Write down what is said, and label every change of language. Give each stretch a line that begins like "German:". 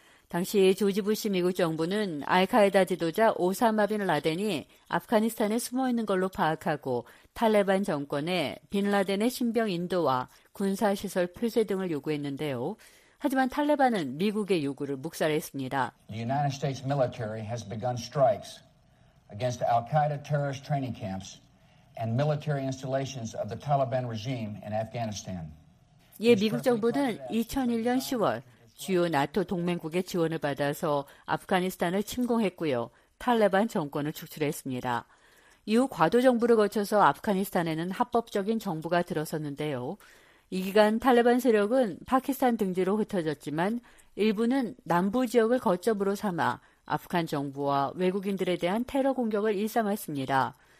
Korean: 당시 조지 부시 미국 정부는 알카에다 지도자 오사마 빈 라덴이 아프가니스탄에 숨어있는 걸로 파악하고 탈레반 정권에 빈 라덴의 신병 인도와 군사시설 폐쇄 등을 요구했는데요. 하지만 탈레반은 미국의 요구를 묵살했습니다.
English: The United States military has begun strikes against al-Qaeda terrorist training camps and military installations of the Taliban regime in Afghanistan.
Korean: 예, 미국 정부는 2001년 10월 주요 나토 동맹국의 지원을 받아서 아프가니스탄을 침공했고요. 탈레반 정권을 축출했습니다. 이후 과도 정부를 거쳐서 아프가니스탄에는 합법적인 정부가 들어섰는데요. 이 기간 탈레반 세력은 파키스탄 등지로 흩어졌지만 일부는 남부 지역을 거점으로 삼아 아프간 정부와 외국인들에 대한 테러 공격을 일삼았습니다.